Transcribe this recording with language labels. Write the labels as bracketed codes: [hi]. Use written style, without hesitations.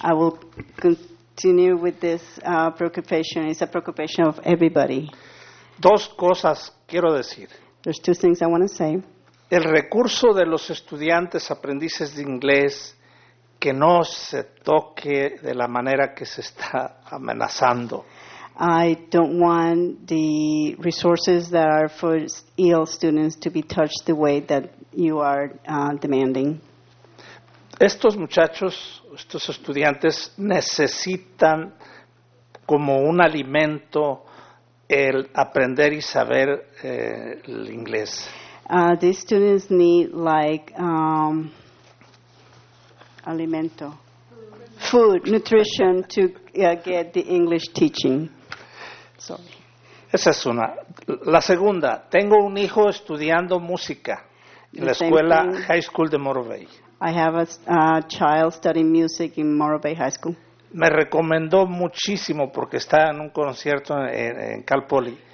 [en] I will continue with this preoccupation. It's a preoccupation of everybody. [es] Dos cosas quiero decir. [en] There's two things I want to say. [es] El recurso de los estudiantes aprendices de inglés que no se toque de la manera que se está amenazando. [en] I don't want the resources that are for EL students to be touched the way that you are demanding. [es] Estos muchachos, estos estudiantes, necesitan como un alimento el aprender y saber el inglés. [en] These students need like [es] alimento, [en] food, nutrition to get the English teaching. Sorry. [es] Esa es una. La segunda, tengo un hijo estudiando música en la escuela High School de Morro Bay. [en] I have a child studying music in Morro Bay High School. [es] Me recomendó muchísimo porque está en un concierto en Cal Poly.